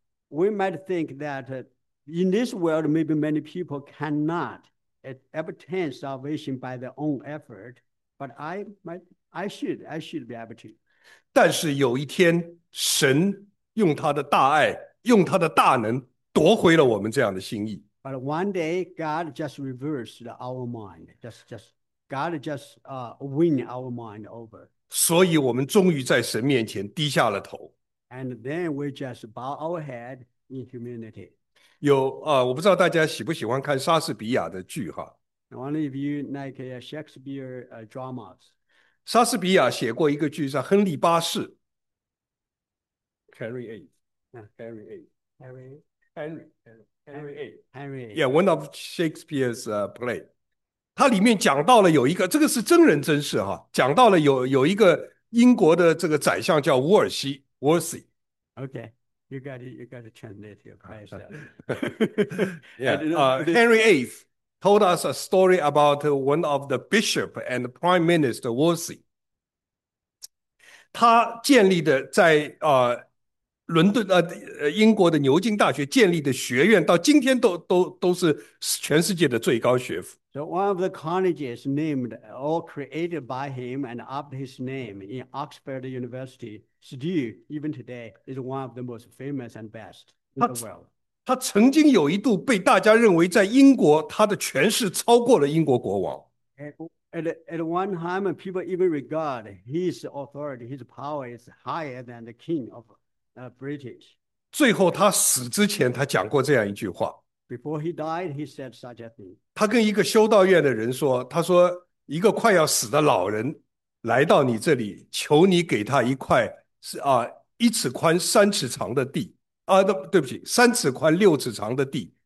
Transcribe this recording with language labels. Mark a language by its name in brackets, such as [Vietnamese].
[English] We might think that in this world, maybe many people cannot obtain salvation by their own effort, but I should be able to. [Chinese] 但是有一天，神用他的大爱，用他的大能，夺回了我们这样的心意。 [English] But one day, God just reversed our mind. God just win our mind over. [Chinese] 所以我们终于在神面前低下了头。 [English] And then we just bow our head in humility. [Chinese] 我不知道大家喜不喜欢看莎士比亚的剧哈。 [English] I wonder if you like Shakespeare dramas. [Chinese] 莎士比亚写过一个剧叫《亨利八世 [English] Henry VIII. Henry VIII. Henry Henry Henry VIII. Henry VIII. Yeah, one of Shakespeare's play. [Chinese] 它里面讲到了有一个，这个是真人真事哈，讲到了有一个英国的这个宰相叫伍尔西。 [English] Worthy. Okay, you got to translate your question. Yeah, Henry VIII told us a story about one of the bishop and the prime minister Worthy. [Chinese] 他建立的在伦敦英国的牛津大学建立的学院，到今天都是全世界的最高学府。 [English] So one of the colleges named or created by him and after his name in Oxford University, still even today, is one of the most famous and best in the world. [Chinese] 他曾经有一度被大家认为在英国他的权势超过了英国国王。 [English] At one time, people even regard his authority, his power is higher than the king of British. [Chinese] 最后他死之前，他讲过这样一句话。 [English] Before he died, he said such a thing. [Chinese] 他跟一个修道院的人说，他说一个快要死的老人来到你这里，求你给他一块1尺宽3尺长的地。对不起，3尺宽6尺长的地，